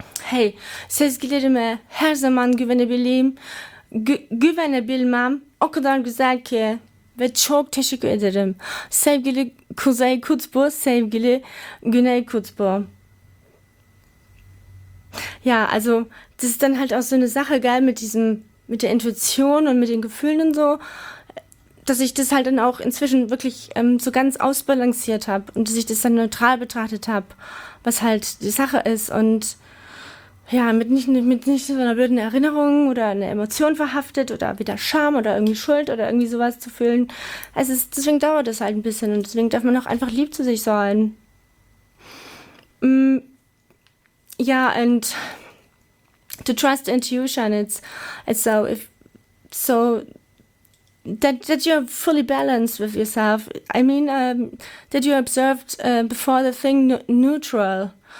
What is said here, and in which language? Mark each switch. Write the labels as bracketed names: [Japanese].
[Turkish] Hey, sevgilerime her zaman güvenebileyim, güvenebilmem o kadar güzel ki. Ve çok teşekkür ederim. Sevgili Kuzey Kutbu, sevgili Güney Kutbu. [German] Ja, also das ist dann halt auch so eine Sache, geil, mit der Intuition und mit den Gefühlen und so, dass ich das halt dann auch inzwischen wirklich so ganz ausbalanciert habe und dass ich das dann neutral betrachtet habe, was halt die Sache ist. Und ja, mit nicht so einer blöden Erinnerung oder einer Emotion verhaftet oder wieder Scham oder irgendwie Schuld oder irgendwie sowas zu fühlen. Also es ist, deswegen dauert es halt ein bisschen und deswegen darf man auch einfach lieb zu sich sein. [English] Ja, and to trust intuition, it's so that you're fully balanced with yourself. I mean, that you observed before the thing neutral.